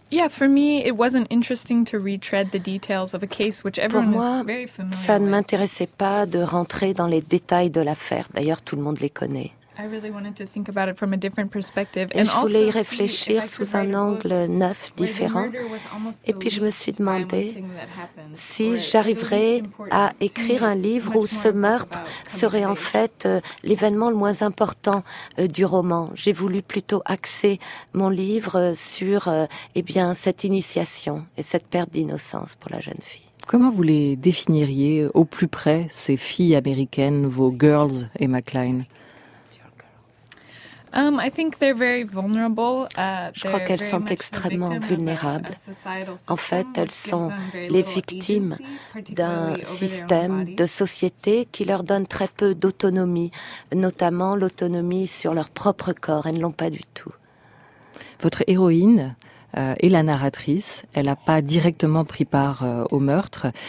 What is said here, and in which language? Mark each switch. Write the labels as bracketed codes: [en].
[en] For me, it wasn't interesting to retread the details of a case which everyone [fr] moi, [en] is very familiar. [fr] Pour moi, ça ne m'intéressait pas de rentrer dans les détails de l'affaire. D'ailleurs, tout le monde les connaît. [en] I really wanted to think about it from a different perspective. [fr] Et je voulais y réfléchir sous un angle neuf, différent. Et puis je me suis demandé si j'arriverais à écrire un livre où ce meurtre serait en fait l'événement le moins important du roman. J'ai voulu plutôt axer mon livre sur cette initiation et cette perte d'innocence pour la jeune fille. Comment vous les définiriez au plus près, ces filles américaines, vos girls, Emma Klein? [en] I think they're very vulnerable. [fr] Je crois qu'elles sont extrêmement vulnérables. En fait, elles sont les victimes d'un système de société qui leur donne très peu d'autonomie, notamment l'autonomie sur leur propre corps. Elles ne l'ont pas du tout. Votre héroïne est la narratrice. Elle n'a pas directement pris part au meurtre.